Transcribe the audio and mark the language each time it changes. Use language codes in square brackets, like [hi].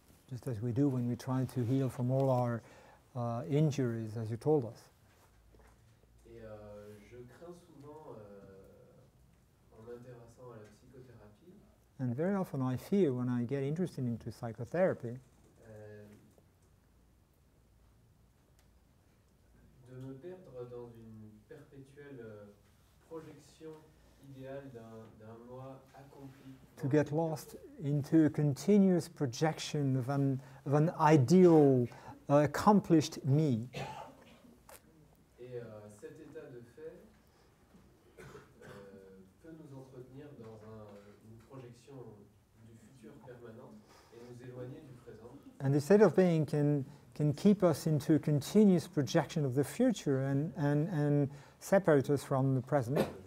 [en] just as we do when we try to heal from all our injuries, as you told us. [fr] Et je crains souvent, en m'intéressant à la psychothérapie, [en] and very often I fear when I get interested into psychotherapy, [fr] de me perdre dans une perpétuelle projection idéale d'un moi accompli. [en] To get lost into a continuous projection of an ideal accomplished me. [fr] Et cet état de fait peut nous entretenir dans une projection du futur permanent et nous éloigner du présent. [en] And the state of being can keep us into a continuous projection of the future and separate us from the present.